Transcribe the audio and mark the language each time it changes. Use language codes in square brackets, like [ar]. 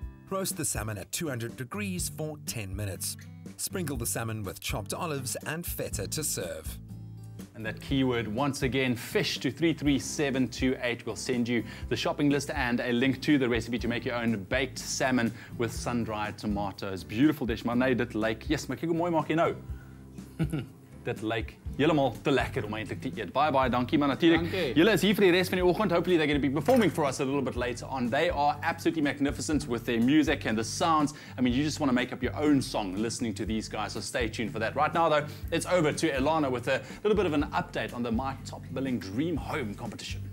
[en] Roast the salmon at 200 degrees for 10 minutes. Sprinkle the salmon with chopped olives and feta to serve. And that keyword once again, fish to 33728. We'll send you the shopping list and a link to the recipe to make your own baked salmon with sun-dried tomatoes. Beautiful dish. [af] Maar nee, dit lyk, yes, maar kyk hoe mooi maak jy nou. Dit lyk heeltemal te lekker om eintlik te eet. Bye bye, dankie. Maar natuurlik, julle is hier vir die res van die oggend. [en] Hopefully they're going to be performing for us a little bit later on. They are absolutely magnificent with their music and the sounds. I mean, you just want to make up your own song listening to these guys. So stay tuned for that. Right now though, it's over to Elana with a little bit of an update on the My Top Billing Dream Home competition.